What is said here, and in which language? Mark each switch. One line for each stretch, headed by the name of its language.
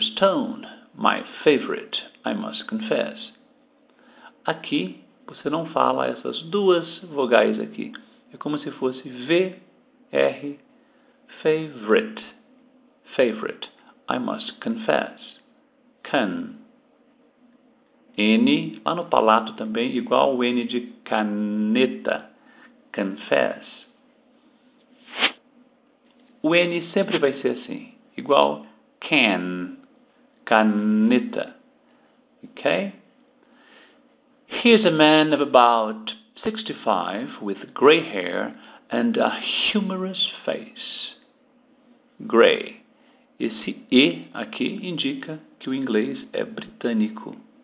English: Stone, my favorite, I must confess.
Portuguese: Aqui você não fala essas duas vogais aqui. É como se fosse V, R,
English: favorite, favorite, I must confess,
Portuguese: can, N, lá no palato também, igual o N de caneta, confess. O N sempre vai ser assim, igual can, caneta, ok?
English: He is a man of about 65 with gray hair and a humorous face. Gray.
Portuguese: Esse E aqui indica que o inglês é britânico.